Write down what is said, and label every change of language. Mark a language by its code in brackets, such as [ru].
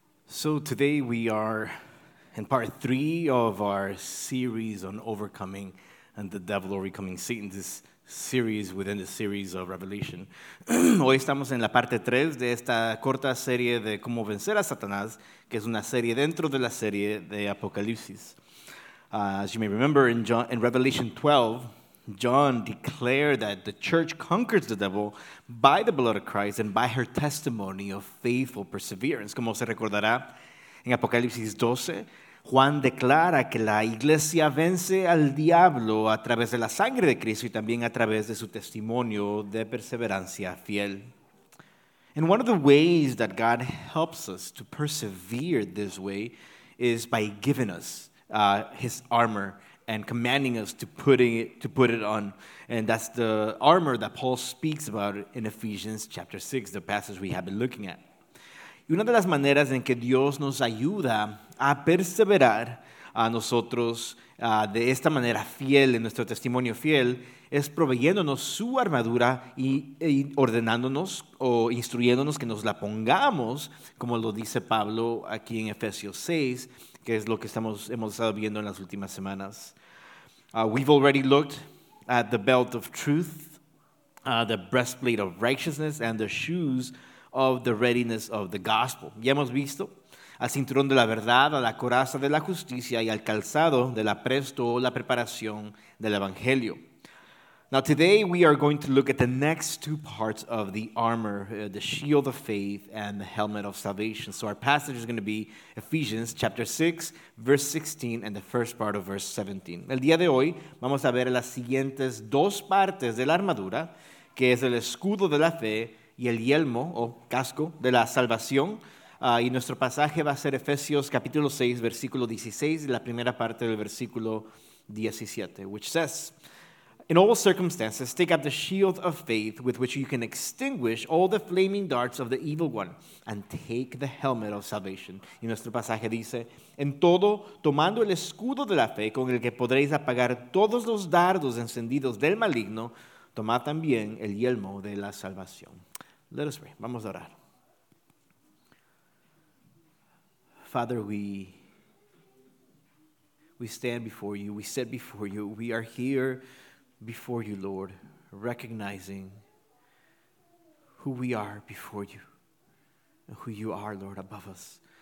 [en] So today we are in part three of our series on overcoming and the devil overcoming Satan, this series within the series of Revelation. [es] Hoy estamos en la parte tres de esta corta serie de cómo vencer a Satanás, que es una serie dentro de la serie de Apocalipsis. [en] As you may remember, in Revelation 12, John declared that the church conquers the devil by the blood of Christ and by her testimony of faithful perseverance. [es] Como se recordará, en Apocalipsis 12, Juan declara que la iglesia vence al diablo a través de la sangre de Cristo y también a través de su testimonio de perseverancia fiel. [en] And one of the ways that God helps us to persevere this way is by giving us his armor and commanding us to put it on. And that's the armor that Paul speaks about in Ephesians chapter 6, the passage we have been looking at. [es] Y una de las maneras en que Dios nos ayuda a perseverar a nosotros de esta manera fiel, en nuestro testimonio fiel, es proveyéndonos su armadura y ordenándonos o instruyéndonos que nos la pongamos, como lo dice Pablo aquí en Efesios 6, que es lo que hemos estado viendo en las últimas semanas. [en] We've already looked at the belt of truth, the breastplate of righteousness, and the shoes of the readiness of the gospel. [es] Ya hemos visto al cinturón de la verdad, a la coraza de la justicia, y al calzado del apresto, la preparación del evangelio. [en] Now today we are going to look at the next two parts of the armor, the shield of faith and the helmet of salvation. So our passage is going to be Ephesians chapter 6, verse 16 and the first part of verse 17. [es] El día de hoy vamos a ver las siguientes dos partes de la armadura, que es el escudo de la fe y el yelmo o casco de la salvación. Y nuestro pasaje va a ser Efesios capítulo 6, versículo 16, la primera parte del versículo 17, [en] which says, "In all circumstances, take up the shield of faith with which you can extinguish all the flaming darts of the evil one, and take the helmet of salvation." [es] Y nuestro pasaje dice, "En todo, tomando el escudo de la fe con el que podréis apagar todos los dardos encendidos del maligno, tomad también el yelmo de la salvación." [en] Let us pray. Vamos a orar. Father, we stand before you. We sit before you. We are here before you, Lord, recognizing who we are before you and who you are, Lord, above us.